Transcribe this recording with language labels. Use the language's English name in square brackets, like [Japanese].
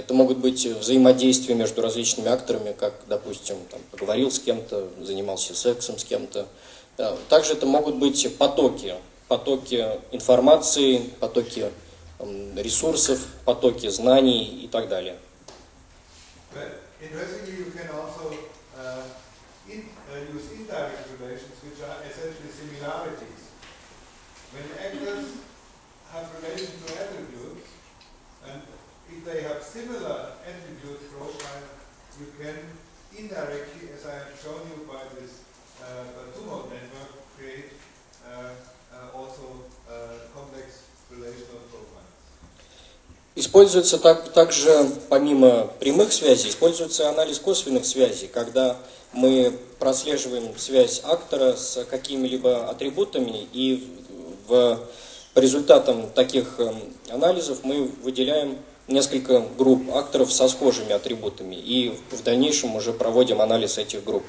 [Russian] Это могут быть взаимодействия между различными акторами, как, допустим, там, поговорил с кем-то, занимался сексом с кем-то. Также это могут быть потоки информации, потоки ресурсов, потоки знаний и так далее. [English] Interestingly, you can also use indirect relations, which are essentially similarities. When actors have relations to attributes, and if they have similar attribute profile, you can indirectly, as I have shown you by this Tumor network, create also complex relational profiles. [Russian] Используется также, помимо прямых связей, используется анализ косвенных связей, когда мы прослеживаем связь актора с какими-либо атрибутами, и по результатам таких анализов мы выделяем несколько групп акторов со схожими атрибутами, и в дальнейшем уже проводим анализ этих групп.